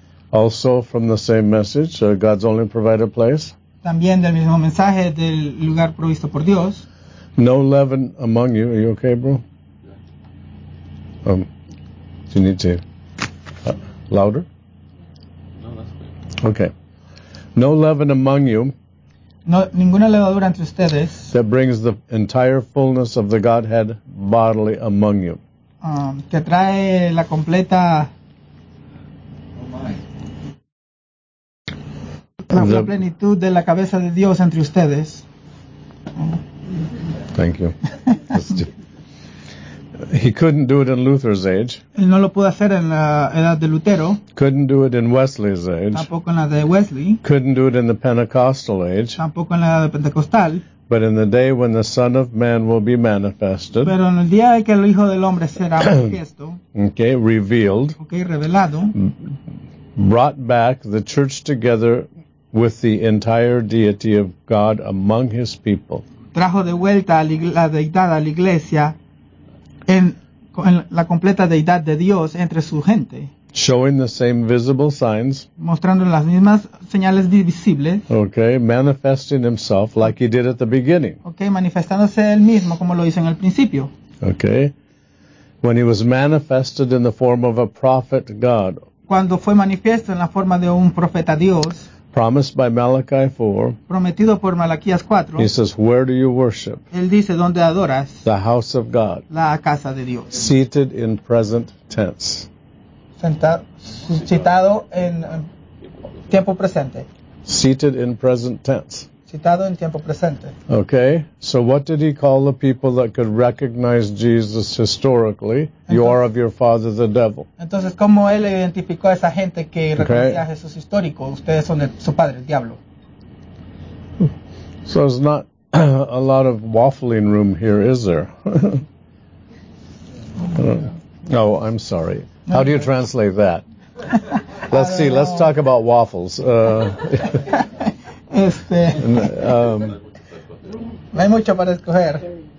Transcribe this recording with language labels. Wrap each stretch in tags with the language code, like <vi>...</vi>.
<en>Also from the same message, God's only provided place.</en> <es>También del mismo mensaje, del lugar provisto por Dios.</es> <en>No leaven among you. Are you okay, bro? Do you need to... louder? No, that's good. Okay. No leaven among you.</en> <es>No, ninguna levadura entre ustedes.</es> <en>That brings the entire fullness of the Godhead bodily among you.</en> <es>Que trae la completa.</es> <en>Oh my.</en> <es>La plenitud de la cabeza de Dios entre ustedes.</es> <en>Thank you. He couldn't do it in Luther's age.</en> <es>Él no lo pudo hacer en la edad de Lutero.</es> <en>Couldn't do it in Wesley's age.</en> <es>Tampoco en la de Wesley.</es> <en>Couldn't do it in the Pentecostal age.</en> <es>Tampoco en la edad de Pentecostal.</es> <en>But in the day when the Son of Man will be manifested.</en> <es>Pero en el día en que el Hijo del Hombre será manifiesto.</es> <en>Okay, revealed.</en> <es>Okay, revelado.</es> <en>Brought back the church together with the entire deity of God among his people.</en> <es>Trajo de vuelta a la deidad a la iglesia. En la completa deidad de Dios entre su gente.</es> <en>Showing the same visible signs.</en> <es>Mostrando las mismas señales visibles.</es> <en>Okay, manifesting himself like he did at the beginning.</en> <es>Okay, manifestándose él mismo como lo hizo en el principio.</es> <en>Okay, when he was manifested in the form of a prophet God.</en> <es>Cuando fue manifiesto en la forma de un profeta Dios.</es> <en>Promised by Malachi 4.</en> <es>Prometido por Malaquías 4.</es> <en>He says, where do you worship?</en> <es>Él dice, ¿dónde adoras?</es> <en>The house of God.</en> <es>La casa de Dios.</es> <en>Seated in present tense.</en> <es>Citado en tiempo presente.</es> <en>Seated in present tense.</en> <es>Citado en tiempo presente.</es> <en>Okay. So what did he call the people that could recognize Jesus historically? Entonces, you are of your father the devil.</en> <es>Entonces, ¿cómo él identificó a esa gente que reconocía a Jesús histórico? Ustedes son de su padre, el diablo.</es> <en>So there's not a lot of waffling room here, is there? Oh, I'm sorry. How do you translate that? Let's see. Let's talk about waffles.</en> <es>No hay mucho para escoger.</es>